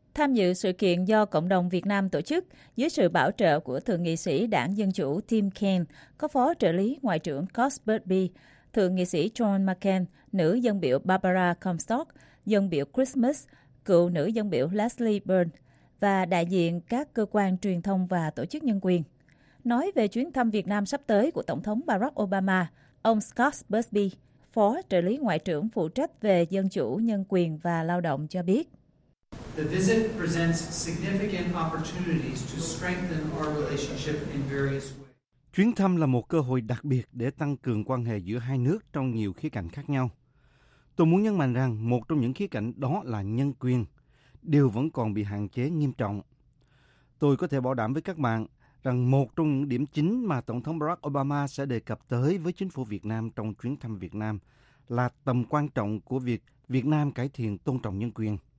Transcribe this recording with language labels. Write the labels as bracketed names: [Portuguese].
[Vietnamese] Tham dự sự kiện do cộng đồng Việt Nam tổ chức dưới sự bảo trợ của Thượng nghị sĩ Đảng Dân Chủ Tim Kaine, có Phó Trợ lý Ngoại trưởng Scott Burtby, Thượng nghị sĩ John McCain, nữ dân biểu Barbara Comstock, dân biểu Christmas, cựu nữ dân biểu Leslie Byrne và đại diện các cơ quan truyền thông và tổ chức nhân quyền. Nói về chuyến thăm Việt Nam sắp tới của Tổng thống Barack Obama, ông Scott Busby, Phó Trợ lý Ngoại trưởng phụ trách về Dân chủ, Nhân quyền và Lao động cho biết. [English] The visit presents significant opportunities to strengthen our relationship in various ways. [Vietnamese] Chuyến thăm là một cơ hội đặc biệt để tăng cường quan hệ giữa hai nước trong nhiều khía cạnh khác nhau. Tôi muốn nhấn mạnh rằng một trong những khía cạnh đó là nhân quyền, điều vẫn còn bị hạn chế nghiêm trọng. Tôi có thể bảo đảm với các bạn rằng một trong những điểm chính mà Tổng thống Barack Obama sẽ đề cập tới với chính phủ Việt Nam trong chuyến thăm Việt Nam là tầm quan trọng của việc Việt Nam cải thiện tôn trọng nhân quyền.